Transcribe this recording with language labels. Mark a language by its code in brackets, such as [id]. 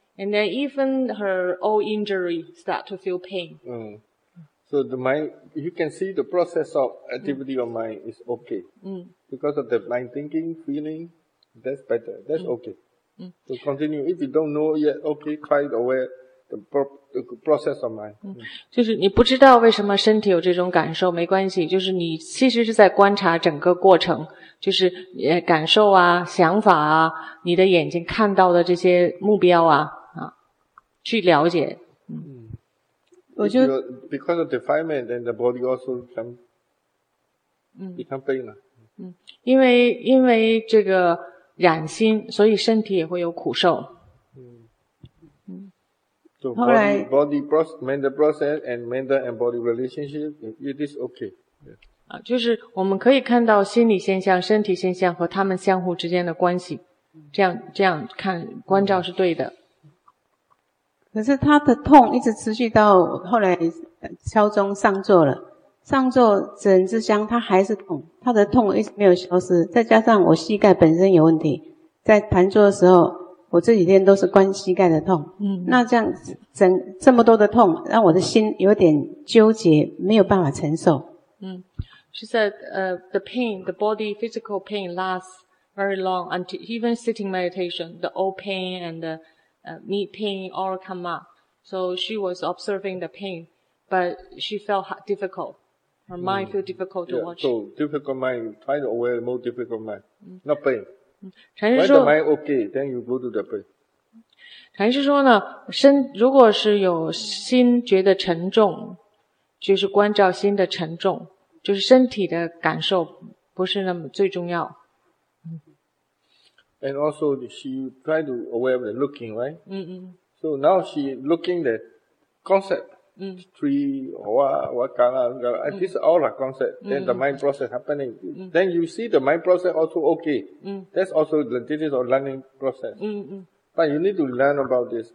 [en] And then even her old injury start to feel pain. So the mind, you can see the process of activity of mind is okay. Because of the mind thinking, feeling, that's better. That's okay. So continue. If you don't know yet, okay, try it away. The process of mind. [zh] 就是你不知道为什么身体有这种感受，没关系，就是你其实是在观察整个过程，就是感受啊，想法啊，你的眼睛看到的这些目标啊，啊，去了解。我就 [en] because of defilement, and the body also become pain. [zh] 因为这个染心，所以身体也会有苦受。 [en] So body process, mental process, and mental and body relationship, it is okay. [zh] 就是我们可以看到心理现象、身体现象和他们相互之间的关系，这样看关照是对的。可是他的痛一直持续到后来敲钟上座了。上座整只香它还是痛，它的痛一直没有消失，再加上我膝盖本身有问题，在盘坐的时候我这几天都是关膝盖的痛。那这样整这么多的痛让我的心有点纠结，没有办法承受。 [en] She said, the pain, the body physical pain lasts very long, until even sitting meditation, the old pain and the knee pain all come up. So she was observing the pain. But she felt difficult. Her mind feel difficult to watch. So difficult mind, try to aware more difficult mind, not pain. [zh] 禅师说 [en] ，When the mind okay, then you go to the pain. [zh] 禅师说呢，身如果是有心觉得沉重，就是关照心的沉重，就是身体的感受不是那么最重要。 [en] And also she try to aware the looking, right? So now she looking the concept. Tree, what color, this is all a concept. Then the mind process happening. Then you see the mind process also okay. That's also the digital learning process. But you need to learn about this.